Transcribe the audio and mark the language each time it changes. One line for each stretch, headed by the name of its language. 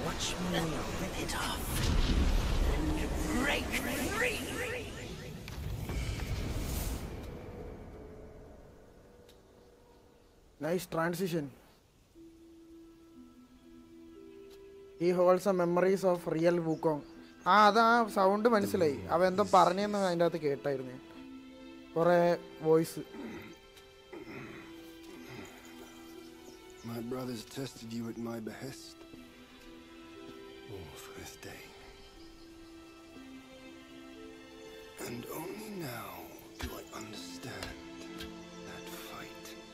English: Watch me rip it off. And break free. Nice transition. He holds some memories of real Wukong.
Malayalam: ആ അതാ sound മനസ്സിലായി, അവെന്തോ പറഞ്ഞെന്ന് അതിൻ്റെ അകത്ത് കേട്ടായിരുന്നു കുറേ voice.
English: My brothers tested you at my behest. All for this day. And only now do I understand that fight.